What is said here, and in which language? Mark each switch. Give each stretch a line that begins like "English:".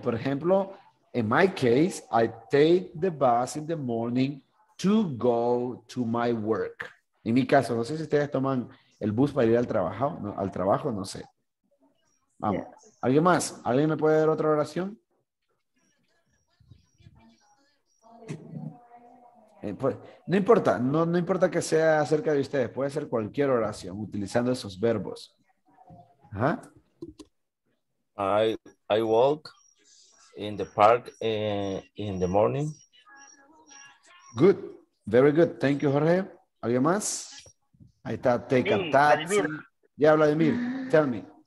Spanish: Por ejemplo,
English: in my case, I take the bus in the morning to go to my work.
Spanish: En mi caso, no sé si ustedes toman el bus para ir al trabajo, no, al trabajo, no sé. Vamos. Yes. ¿Alguien más? ¿Alguien me puede dar otra oración? Pues, no importa, no, no importa que sea acerca de ustedes, puede ser cualquier oración utilizando esos verbos.
English: I walk in the park in the morning. Good, very good. Thank you, Jorge.
Spanish: ¿Alguien más?
English: Ahí está, take a taxi. Ya, Vladimir, tell me.